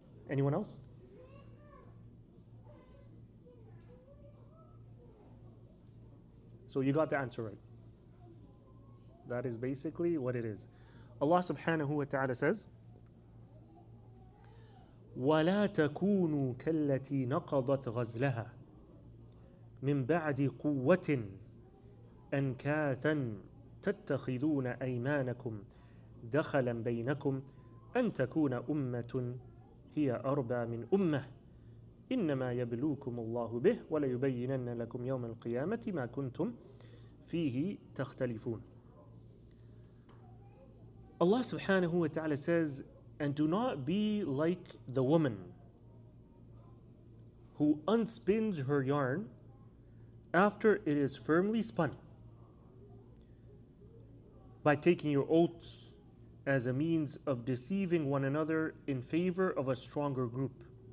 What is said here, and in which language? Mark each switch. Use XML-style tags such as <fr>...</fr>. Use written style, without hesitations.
<en>Anyone else? So you got the answer right. That is basically what it is. Allah subhanahu wa ta'ala says,</en> <ar>وَلَا تَكُونُوا كَالَّتِي نَقَضَتْ غَزْلَهَا مِنْ بَعْدِ قُوَّةٍ أَنْكَاثًا تَتَّخِذُونَ أَيْمَانَكُمْ دَخَلًا بَيْنَكُمْ أَنْ تَكُونَ أُمَّةٌ هِيَ أَرْبَى مِنْ أُمَّةٍ إنما يبلوكم الله به وليبينن لكم يوم القيامة ما كنتم فيه تختلفون.</ar> <en>Allah subhanahu wa ta'ala says, and do not be like the woman who unspins her yarn after it is firmly spun by taking your oaths as a means of deceiving one another in favor of a stronger group.</en>